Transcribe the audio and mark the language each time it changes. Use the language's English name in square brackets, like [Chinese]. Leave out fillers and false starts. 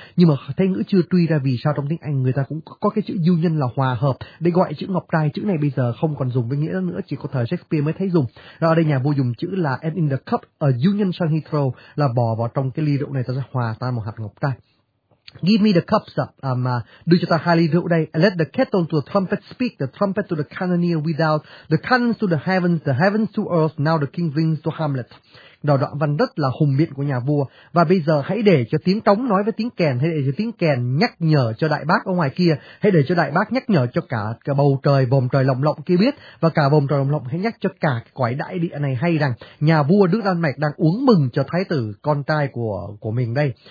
[Vietnamese] Nhưng mà thấy ngữ chưa truy ra vì sao trong tiếng Anh người ta cũng có cái chữ union là hòa hợp để gọi chữ ngọc trai. Chữ này bây giờ không còn dùng với nghĩa đó nữa, chỉ có thời Shakespeare mới thấy dùng. Rồi ở đây nhà vua dùng chữ là [English] and in the cup a union shall he throw, [Vietnamese] là bỏ vào trong cái ly rượu này ta sẽ hòa tan một hạt ngọc trai. [English] Give me the cups up, [Vietnamese] đưa cho ta hai ly rượu đây. [English] And let the kettle to the trumpet speak, the trumpet to the cannoneer without, the cannons to the heavens to earth, now the king rings to Hamlet. [Vietnamese] Đầu đoạn văn rất là hùng biện của nhà vua. Và bây giờ hãy để cho tiếng trống nói với tiếng kèn, hãy để cho tiếng kèn nhắc nhở cho đại bác ở ngoài kia, hãy để cho đại bác nhắc nhở cho cả bầu trời, vòng trời lồng lộng kia biết, và cả vòng trời lồng lộng hãy nhắc cho cả quải đại địa này hay rằng nhà vua nước Đan Mạch đang uống mừng cho thái tử con trai của mình đây.